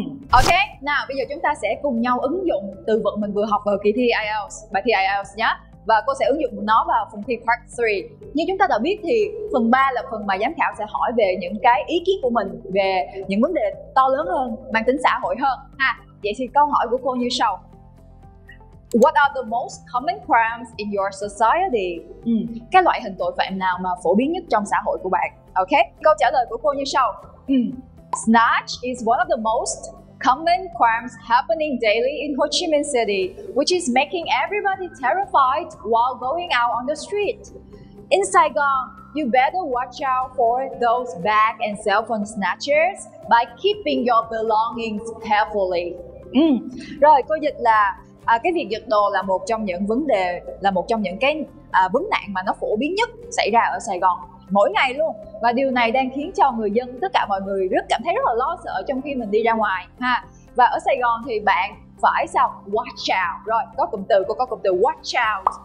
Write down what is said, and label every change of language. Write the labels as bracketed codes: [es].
[vi] Ok, nào bây giờ chúng ta sẽ cùng nhau ứng dụng từ vựng mình vừa học vào kỳ thi IELTS, bài thi IELTS nhé. Và cô sẽ ứng dụng nó vào phần thi Part 3. Như chúng ta đã biết thì phần 3 là phần mà giám khảo sẽ hỏi về những cái ý kiến của mình về những vấn đề to lớn hơn, mang tính xã hội hơn ha. Vậy thì câu hỏi của cô như sau. [en] What are the most common crimes in your society? [vi] Cái loại hình tội phạm nào mà phổ biến nhất trong xã hội của bạn? Ok, câu trả lời của cô như sau. [en] Snatch is one of the most common crimes happening daily in Ho Chi Minh City, which is making everybody terrified while going out on the street. In Saigon, you better watch out for those bag and cell phone snatchers by keeping your belongings carefully. [vi] Rồi, cô dịch là cái việc giật đồ là một trong những vấn đề, là một trong những cái vấn nạn mà nó phổ biến nhất xảy ra ở Sài Gòn mỗi ngày luôn. Và điều này đang khiến cho người dân, tất cả mọi người rất cảm thấy rất là lo sợ trong khi mình đi ra ngoài ha. Và ở Sài Gòn thì bạn phải sao? Watch out. Rồi, có cụm từ, cô có cụm từ watch out.